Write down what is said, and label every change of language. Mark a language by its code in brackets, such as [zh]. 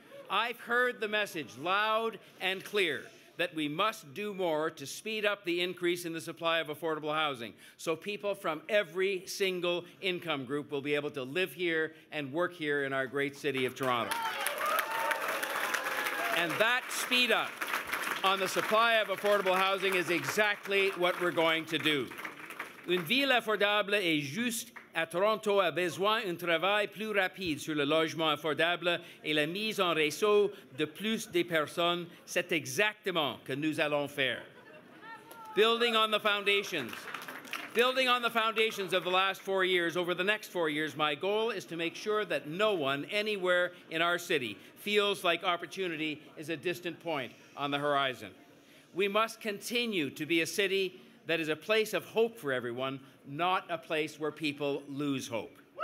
[en] I've heard the message loud and clear that we must do more to speed up the increase in the supply of affordable housing so people from every single income group will be able to live here and work here in our great city of Toronto. And that speed up on the supply of affordable housing is exactly what we're going to do. [fr] Une ville [en] affordable [fr] et juste à Toronto a besoin d'un travail plus rapide sur le logement affordable et la mise en réseau de plus de personnes. C'est exactement ce que nous allons faire. [en] Building on the foundations of the last 4 years, over the next 4 years, my goal is to make sure that no one anywhere in our city feels like opportunity is a distant point on the horizon. We must continue to be a city that is a place of hope for everyone, not a place where people lose hope.